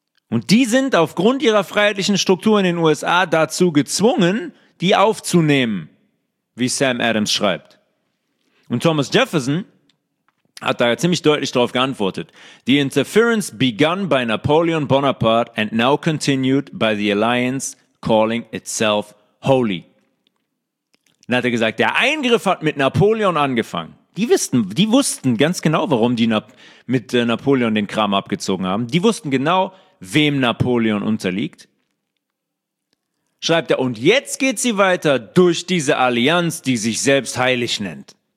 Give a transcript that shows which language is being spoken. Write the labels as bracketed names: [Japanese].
[German] Und die sind aufgrund ihrer freiheitlichen Struktur in den USA dazu gezwungen, die aufzunehmen, wie Sam Adams schreibt. Und Thomas Jefferson hat da ziemlich deutlich drauf geantwortet. [English] The interference begun by Napoleon Bonaparte and now continued by the alliance calling itself holy. [German] Dann hat er gesagt, der Eingriff hat mit Napoleon angefangen. Die wussten ganz genau, warum die mit Napoleon den Kram abgezogen haben. Die wussten genau, wem Napoleon unterliegt. Schreibt er, und jetzt geht sie weiter durch diese Allianz, die sich selbst heilig nennt.